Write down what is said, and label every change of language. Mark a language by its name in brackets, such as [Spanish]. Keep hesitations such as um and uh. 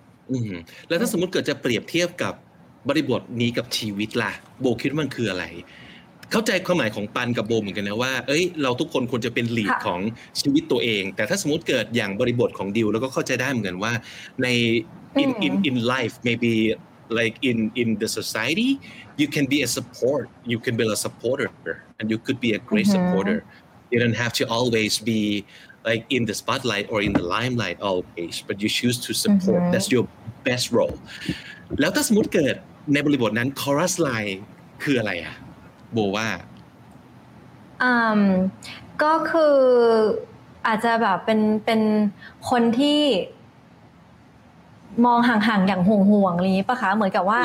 [Thai] อืมแล้วถ้าสมมติเกิดจะเปรียบเทียบกับบริบทนี้กับชีวิตล่ะ โบคิดว่ามันคืออะไร เข้าใจความหมายของปันกับโบเหมือนกันนะว่า เอ้ยเราทุกคนควรจะเป็นหลีด ค่ะ ของชีวิตตัวเอง แต่ถ้าสมมติเกิดอย่างบริบทของดิวแล้วก็เข้าใจได้เหมือนกันว่าใน [English] in in in life maybe like in in the society you can be a support you can be a supporter and you could be a great Mhm. supporter you don't have to always be like in the spotlight or in the limelight always but you choose to support Mhm. that's your best role [Thai] แล้วถ้าสมมติเกิดในบริบทนั้น chorus line คืออะไรอะโบว่า อืมก็คืออาจจะแบบเป็นเป็นคนที่ มองห่างๆ อย่างห่วงๆอะไรอย่างนี้ปะคะ เหมือนกับว่า